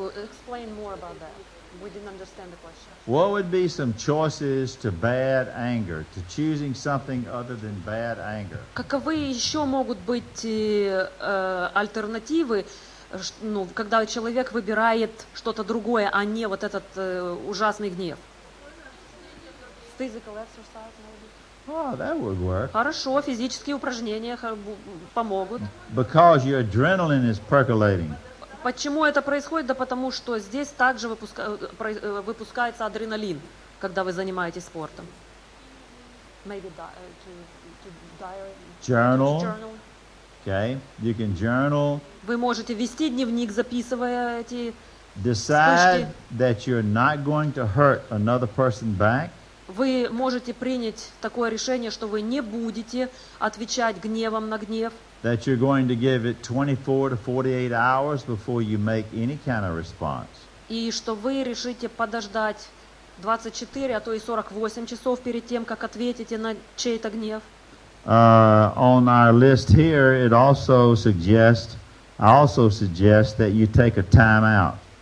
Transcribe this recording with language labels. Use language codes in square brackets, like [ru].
[en] Explain more about that. We didn't understand the question. What would be some choices to bad anger, to choosing something other than bad anger? [ru] Каковы еще могут быть альтернативы, когда человек выбирает что-то другое, а не вот этот ужасный гнев? [en] Physical exercise, maybe. Oh, that would work. [ru] Хорошо, физические упражнения помогут. [en] Because your adrenaline is percolating. [ru] Почему это происходит? Да потому что здесь также выпускается адреналин, когда вы занимаетесь спортом. [en] Maybe to diary. Journal. Okay. You can journal. [ru] Вы можете вести дневник, записывая эти вспышки. [en] Decide that you're not going to hurt another person back. [ru] Вы можете принять такое решение, что вы не будете отвечать гневом на гнев. [en] That you're going to give it 24 to 48 hours before you make any kind of response. [ru] И что вы решите подождать 24, а то и 48 часов перед тем, как ответите на чей-то гнев. [en] On our list here, it also suggests, I also suggest that you take a time out.